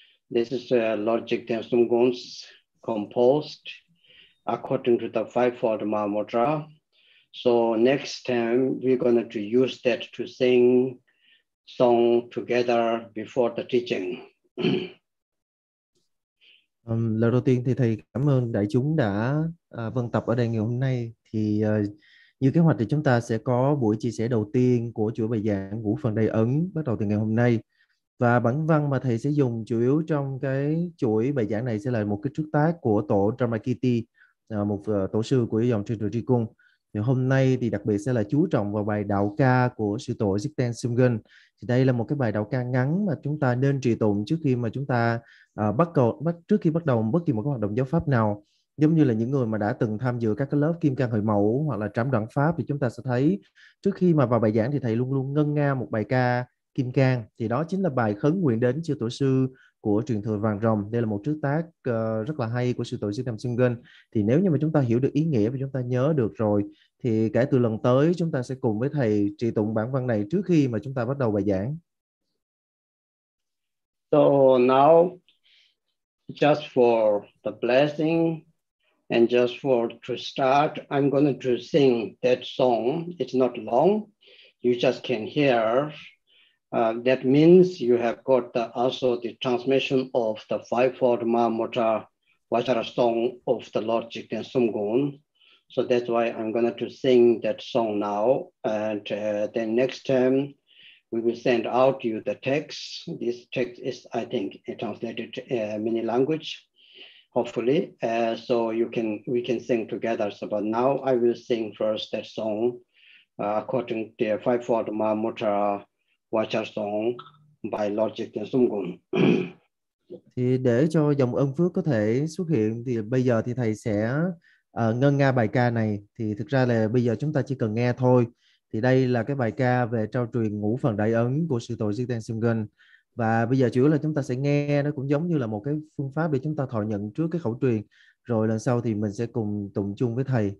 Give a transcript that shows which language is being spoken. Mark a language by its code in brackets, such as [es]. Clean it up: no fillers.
[en] This is Lord Jigden Sumgong's composed according to the Fivefold Mahamudra. So next time we're going to use that to sing song together before the teaching. [vi] Lần đầu tiên thì thầy cảm ơn đại chúng đã vân tập ở đây ngày hôm nay. Thì như kế hoạch thì chúng ta sẽ có buổi chia sẻ đầu tiên của chuỗi bài giảng ngũ phần đầy ấn bắt đầu từ ngày hôm nay. Và bản văn mà thầy sẽ dùng chủ yếu trong cái chuỗi bài giảng này sẽ là một cái trước tác của tổ Dharmakirti một tổ sư của dòng Trường Trụ Trì Cung. Thì hôm nay thì đặc biệt sẽ là chú trọng vào bài đạo ca của sư tổ Jiten Sumgen. Thì đây là một cái bài đạo ca ngắn mà chúng ta nên trì tụng trước khi mà chúng ta trước khi bắt đầu bất kỳ một cái hoạt động giáo pháp nào. Giống như là những người mà đã từng tham dự các cái lớp Kim Cang Hồi Mẫu hoặc là Trảm Đoạn Pháp, thì chúng ta sẽ thấy trước khi mà vào bài giảng thì thầy luôn luôn ngân nga một bài ca Kim Cang. Thì đó chính là bài khấn nguyện đến chư tổ sư của truyền thừa Vàng Rồng. Đây là một trước tác rất là hay của sư tổ Jiten Sumgen. Thì nếu như mà chúng ta hiểu được ý nghĩa và chúng ta nhớ được rồi, thì kể từ lần tới chúng ta sẽ cùng với thầy trì tụng bản văn này trước khi mà chúng ta bắt đầu bài giảng. [en] So now, just for the blessing and just for to start, I'm going to sing that song. It's not long. You just can hear. That means you have got also the transmission of the Fivefold Mahamudra Vajra song of the Lord Jiten Sumgen. So that's why I'm going to sing that song now. And then next time, we will send out you the text. This text is, I think, translated to many language, hopefully. So we can sing together. So, but now I will sing first that song according to the Fivefold Mahamudra Vajra song by Lord Jiten Sumgen. [vi] Thì để cho dòng ân phước có thể xuất hiện thì bây giờ thì thầy sẽ ngân nga bài ca này. Thì thực ra là bây giờ chúng ta chỉ cần nghe thôi. Thì đây là cái bài ca về trao truyền ngũ phần đại ấn của sư tổ Jiten Sumgen. Và bây giờ chủ yếu là chúng ta sẽ nghe, nó cũng giống như là một cái phương pháp để chúng ta thọ nhận trước cái khẩu truyền, rồi lần sau thì mình sẽ cùng tụng chung với thầy.